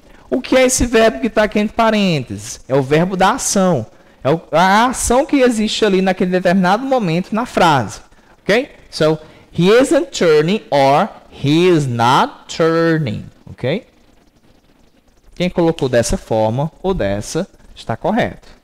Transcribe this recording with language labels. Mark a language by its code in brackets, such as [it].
[pt] O que é esse verbo que está aqui entre parênteses? É o verbo da ação. É a ação que existe ali naquele determinado momento na frase. [en] Ok? So, he isn't turning or he is not turning. Ok? [pt] Quem colocou dessa forma ou dessa está correto.